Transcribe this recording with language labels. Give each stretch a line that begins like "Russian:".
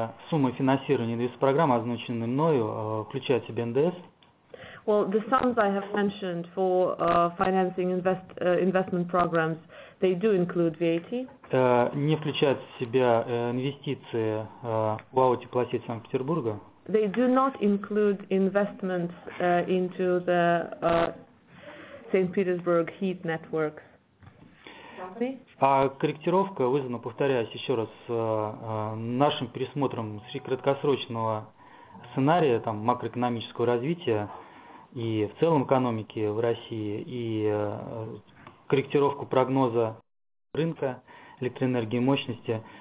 Russian: Суммы финансирования инвестпрограммы, означенные мною, включают в себя НДС.
English: Well, the sums I have mentioned for financing investment programs, they do include VAT.
Russian: Не включают в себя инвестиции в аутеплатить Санкт-Петербурга.
English: They do not include investments into the St. Petersburg heat networks.
Russian: А корректировка вызвана, повторяюсь еще раз, нашим пересмотром краткосрочного сценария там макроэкономического развития и в целом экономики в России и корректировку прогноза рынка электроэнергии мощности.